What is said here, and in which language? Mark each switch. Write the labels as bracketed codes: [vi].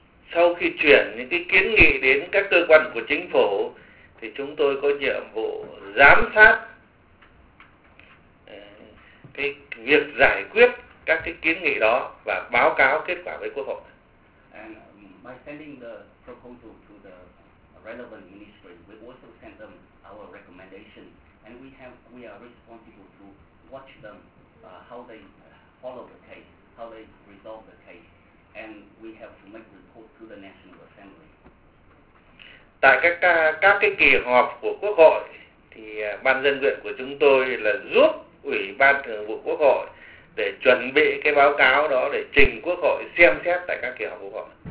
[vi] Sau khi chuyển những cái kiến nghị đến các cơ quan của chính phủ thì chúng tôi có nhiệm vụ giám sát cái việc giải quyết các cái kiến nghị đó và báo cáo kết quả với Quốc hội. [en] And by sending the proposal to the relevant ministry, we also send them our recommendation, and we are responsible to watch them how they follow the case, how they resolve the case. And we have to make report to the National Assembly. [vi] tại các cái kỳ họp của Quốc hội thì ban dân nguyện của chúng tôi là giúp Ủy ban Thường vụ Quốc hội để chuẩn bị cái báo cáo đó để trình Quốc hội xem xét tại các kỳ họp Quốc hội.